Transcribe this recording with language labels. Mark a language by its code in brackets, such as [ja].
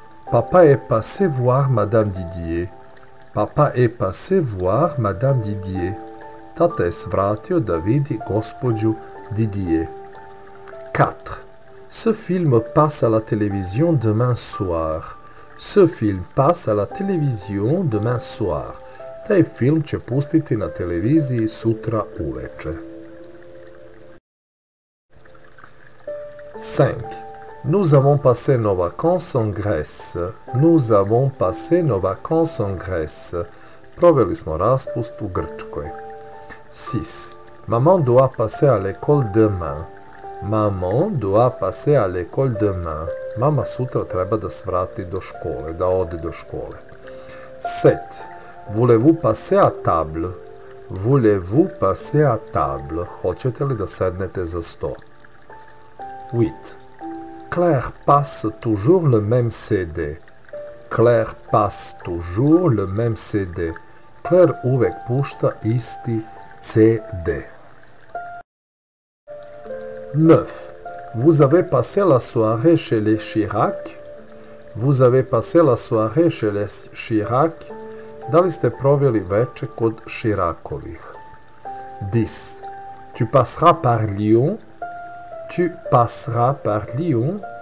[fr] Papa est passé voir Madame Didier. Papa est passé voir Madame Didier. [sr] Tata se vratio da vidi gospođu Didier. 4. [fr] Ce film passe à la télévision demain soir. Ce film passe à la télévision demain soir. [sr] Taj film će pustiti na televiziji sutra uveče. 5. [fr] Nous avons passé nos vacances en Grèce. Nous avons passé nos vacances en Grèce. [sr] Proveli smo raspust u Grčkoj. 6. [fr] Maman doit passer à l'école demain. Maman doit passer à l'école demain. [sr] Mama sutra treba da se vrati do škole, da ode do škole. 7. [fr] Voulez-vous passer à table? Voulez-vous passer à table? [sr] Hoćete li da sednete za sto? 8. [fr] Claire passe toujours le même CD. Claire passe toujours le même CD. [sr] Claire uvek pušta isti CD. 9. [fr] Vous avez passé la soirée chez les Chirac? Vous avez passé la soirée chez les Chirac? [sr] Da li ste proveli veče kod Chiracovih? 10. [fr] Tu passeras par Lyon? Tu passeras par Lyon?